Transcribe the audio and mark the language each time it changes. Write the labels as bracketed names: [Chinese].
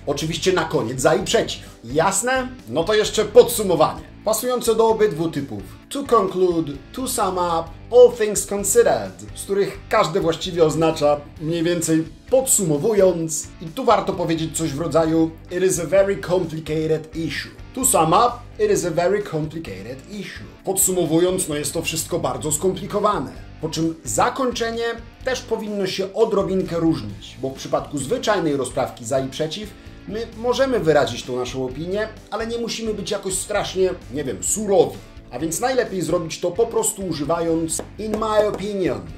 [Polish] Oczywiście na koniec za i przeciw. Jasne? No to jeszcze podsumowanie. Pasujące do obydwu typów. To conclude, to sum up, all things considered, z których każdy właściwie oznacza mniej więcej podsumowując. I tu warto powiedzieć coś w rodzaju it is a very complicated issue. [English] To sum up, it is a very complicated issue. [Polish] Podsumowując, no jest to wszystko bardzo skomplikowane. Po czym zakończenie też powinno się odrobinkę różnić, bo w przypadku zwyczajnej rozprawki za i przeciw my możemy wyrazić tą naszą opinię, ale nie musimy być jakoś strasznie, nie wiem, surowi. A więc najlepiej zrobić to po prostu używając in my opinion.